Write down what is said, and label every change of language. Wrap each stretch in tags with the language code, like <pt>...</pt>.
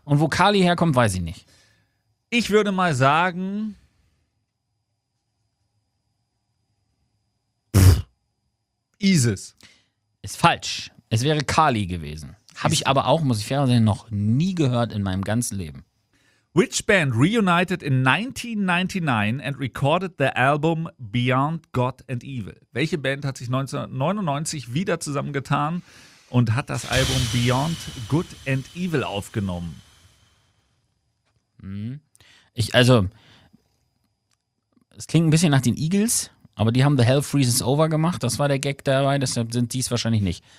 <de>Und wo Kali herkommt, weiß ich nicht. Ich würde mal sagen, Isis. Ist falsch. Es wäre Kali gewesen. Habe ich aber auch, muss ich fair sein, noch nie gehört in meinem ganzen Leben.</de> <en>Which band reunited in 1999 and recorded the album Beyond God and Evil?</en> <de>Welche Band hat sich 1999 wieder zusammengetan und hat das Album Beyond Good and Evil aufgenommen? Es klingt ein bisschen nach den Eagles, Aber die haben The Hell Freezes Over gemacht. Das war der Gag dabei, deshalb sind die es wahrscheinlich nicht.</de>